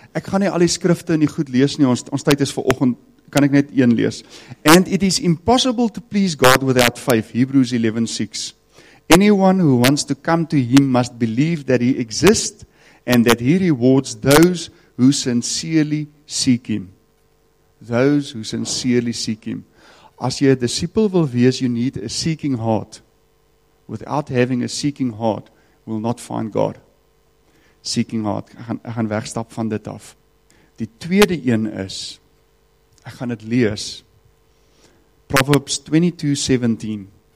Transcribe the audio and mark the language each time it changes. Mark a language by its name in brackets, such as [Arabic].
[Afrikaans] Ek gaan nie al die skrifte nie goed lees nie, ons tyd is vir oggend, kan ek net een lees. [English] And it is impossible to please God without faith, Hebrews 11:6. Anyone who wants to come to him must believe that he exists and that he rewards those who sincerely seek him. Those who sincerely seek him. [Afrikaans] As jy 'n disipel wil wees, [English] you need a seeking heart. Without having a seeking heart, will not find God. Seeking heart. [Afrikaans] Ek gaan wegstap van dit af. Die tweede een is, ek gaan het lees, Proverbs 22:17.